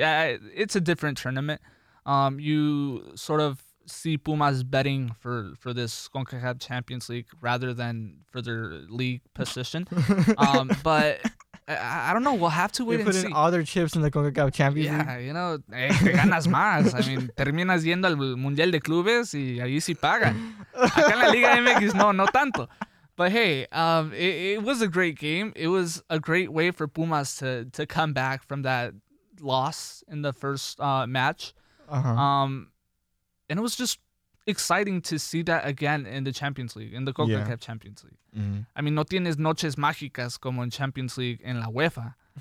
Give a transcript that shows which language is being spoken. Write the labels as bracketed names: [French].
[English] It's a different tournament. You sort of see Pumas betting for this CONCACAF Champions League rather than for their league position. But I don't know. We'll have to wait and see. They put in all their chips in the CONCACAF Champions League. Yeah, you know, [Spanish] te ganas más. [English] I mean, [Spanish] terminas yendo al Mundial de Clubes y ahí sí pagan. Acá en la Liga MX, no tanto. [English] But hey, it was a great game. It was a great way for Pumas to come back from that loss in the first match. Uh-huh. And it was just exciting to see that again in the Champions League, in the CONCACAF Champions League. Mm-hmm. I mean, [Spanish] no tienes noches mágicas como en Champions League en la UEFA.